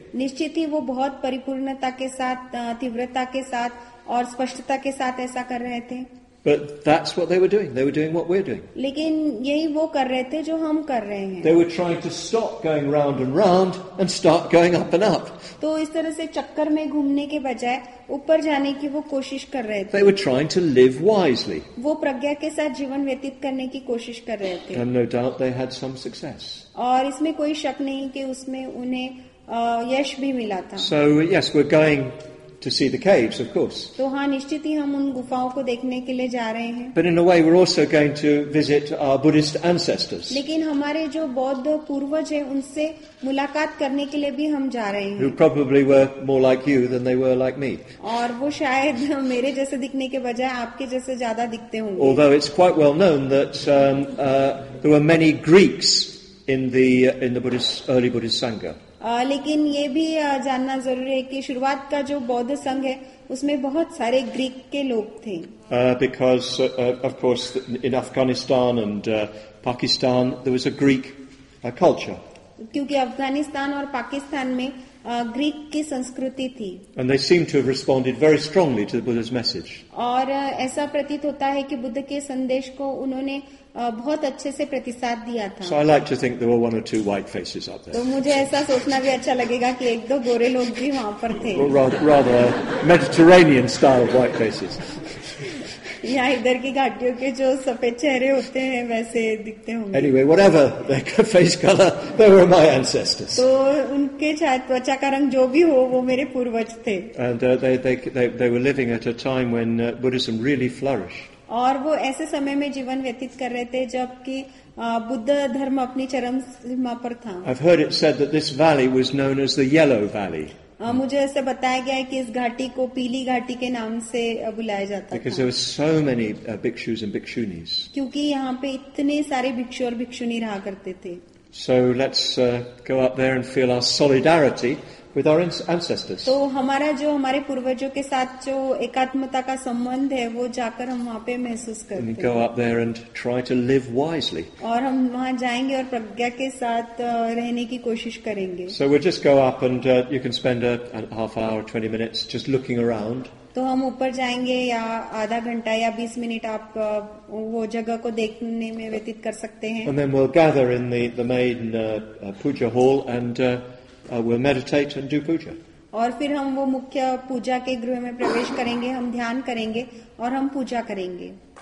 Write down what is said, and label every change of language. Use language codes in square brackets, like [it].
[hi] निश्चित ही वो बहुत परिपूर्णता के साथ, तीव्रता के साथ और स्पष्टता के साथ ऐसा कर रहे थे. [en] But that's what they were doing. They were doing what we're doing. [hi] लेकिन यही वो कर रहे थे जो हम कर रहे हैं. [en] They were trying to stop going round and round and start going up and up. [hi] तो इस तरह से चक्कर में घूमने के बजाय ऊपर जाने की वो कोशिश कर रहे थे. [en] They were trying to live wisely. [hi] वो प्रज्ञा के साथ जीवन व्यतीत करने की कोशिश कर रहे थे. [en] And no doubt they had some success. [hi] और इसमें कोई शक नहीं कि उसमें उन्हें यश भी मिला था. [en] So yes, we're going to see the caves, of course. [hi] तो हाँ, निश्चित ही हम उन गुफाओं को देखने के लिए जा रहे हैं. [en] But in a way, we're also going to visit our Buddhist ancestors. [hi] लेकिन हमारे जो बौद्ध पूर्वज हैं, उनसे मुलाकात करने के लिए भी हम जा रहे हैं. [en] Who probably were more like you than they were like me. [hi] और वो शायद मेरे जैसे दिखने के बजाय आपके जैसे ज्यादा दिखते होंगे. [en] Although it's quite well known that there were many Greeks in the Buddhist early Buddhist Sangha. [hi] लेकिन ये भी जानना जरूरी है कि शुरुआत का जो बौद्ध संघ है उसमें बहुत सारे ग्रीक के लोग थे. [en] Because of course in Afghanistan and Pakistan there was a Greek culture. [hi] क्योंकि अफगानिस्तान और पाकिस्तान में ग्रीक की संस्कृति थी. [en] And they seem to have responded very strongly to the Buddha's message. [hi] और ऐसा प्रतीत होता है कि बुद्ध के संदेश को उन्होंने बहुत अच्छे से प्रतिसाद दिया था. [en] So I like to think there were one or two white faces up there. [hi] तो मुझे ऐसा सोचना भी अच्छा लगेगा कि एक दो गोरे लोग भी वहाँ पर थे. [en] Rather Mediterranean style of white faces. [hi] या इधर की घाटियों के जो सफेद चेहरे होते हैं वैसे दिखते होंगे. [en] Anyway, whatever their face color, they were my ancestors. [hi] तो उनके शायद त्वचा का रंग जो भी हो वो मेरे पूर्वज थे. [en] And they were living at a time when Buddhism really flourished. [hi] और वो ऐसे समय में जीवन व्यतीत कर रहे थे जबकि बुद्ध धर्म अपनी चरम सीमा पर था. [en] I've heard it said that this valley was known as the Yellow Valley. [hi] मुझे ऐसे बताया गया है कि इस घाटी को पीली घाटी के नाम से बुलाया जाता था. [en] Because there were so many bhikshus and bhikshunis. [hi] क्योंकि यहाँ पे इतने सारे भिक्षु और भिक्षुनी रहा करते थे. [en] So let's go up there and feel our solidarity with our ancestors. [hi] तो हमारा जो हमारे पूर्वजों के साथ जो एकात्मता का संबंध है वो जाकर हम वहाँ पे महसूस करते हैं. [en] Go up there and try to live wisely. [hi] और हम वहाँ जाएंगे और प्रज्ञा के साथ रहने की कोशिश करेंगे. [en] So we'll just go up and you can spend a half hour, 20 minutes just looking around. [hi] तो हम ऊपर जाएंगे या आधा घंटा या 20 मिनट आप वो जगह को देखने में व्यतीत कर सकते हैं. [en] And then we'll gather in the main puja hall and we'll meditate and do puja. [hi] और फिर हम वो मुख्य पूजा के गृह में प्रवेश करेंगे, हम ध्यान करेंगे और हम पूजा करेंगे.